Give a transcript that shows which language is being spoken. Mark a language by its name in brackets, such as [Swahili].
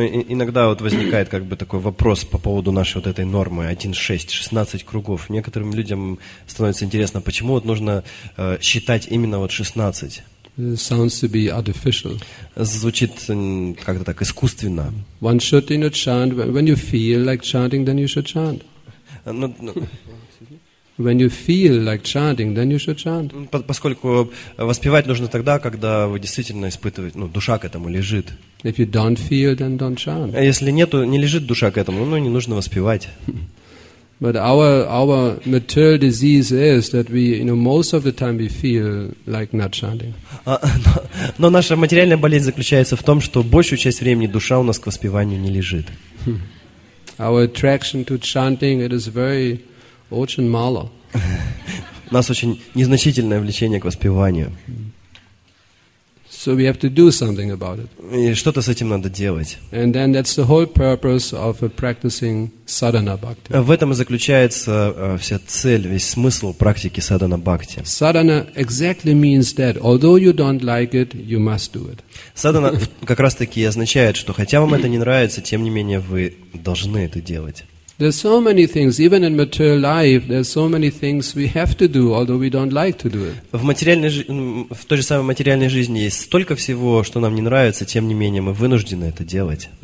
[Russian] Иногда вот возникает как бы такой вопрос по поводу нашей вот этой нормы, 1-6, 16 кругов. Некоторым людям становится интересно, почему вот нужно считать именно вот 16? [English] Sounds to be artificial. [Russian] Звучит как-то так искусственно. [English] One should, you know, chant. When you feel like chanting, then you should chant. When you feel like chanting, then you should chant. [Russian] Поскольку воспевать нужно тогда, когда вы действительно испытываете, ну, душа к этому лежит. [English] If you don't feel, then don't chant. [Russian] Если нету, не лежит душа к этому, ну, не нужно воспевать. [English] But our material disease is that we, you know, most of the time we feel like not chanting. [Russian] Но наша материальная болезнь заключается в том, что большую часть времени душа у нас к воспеванию не лежит. [English] Our attraction to chanting, it is very [Russian] очень мало. У нас очень незначительное влечение к воспеванию. [English] So we have to do something about it. [Russian] И что-то с этим надо делать. [English] And then that's the whole purpose of practicing sadhana bhakti. [Russian] В этом и заключается вся цель, весь смысл практики sadhana bhakti. [English] Sadhana exactly means that although you don't like it, you must do it. [Russian] Sadhana как раз-таки означает, что хотя вам это не нравится, тем не менее вы должны это делать. [English] There's so many things, even in material life, there's so many things we have to do, although we don't like to do it. [Russian] В той же самой материальной жизни есть столько всего, что нам не нравится, тем не менее мы вынуждены это делать.